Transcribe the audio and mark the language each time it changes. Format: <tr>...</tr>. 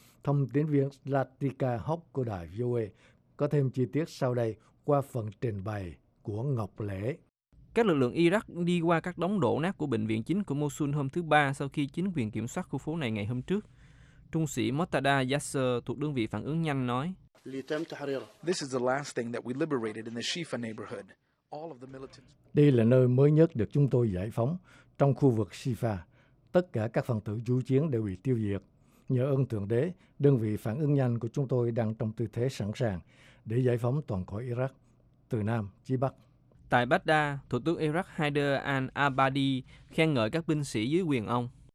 <vi>Thông tin viên Latika Hock của đài VOA có thêm chi tiết sau đây qua phần trình bày của Ngọc Lễ. Các lực lượng Iraq đi qua các đống đổ nát của bệnh viện chính của Mosul hôm thứ Ba sau khi chính quyền kiểm soát khu phố này ngày hôm trước. Trung sĩ Mortada Yasser thuộc đơn vị phản ứng nhanh nói:</vi> <en>"This is the last thing that we liberated in the Shifa neighborhood. All of the militants.</en> <vi>Đây là nơi mới nhất được chúng tôi giải phóng trong khu vực Shifa. Tất cả các phần tử chủ chiến đều bị tiêu diệt. Nhờ ơn Thượng Đế, đơn vị phản ứng nhanh của chúng tôi đang trong tư thế sẵn sàng để giải phóng toàn cõi Iraq, từ Nam chí Bắc." Tại Baghdad, Thủ tướng Iraq Haider al-Abadi khen ngợi các binh sĩ dưới quyền ông.</vi>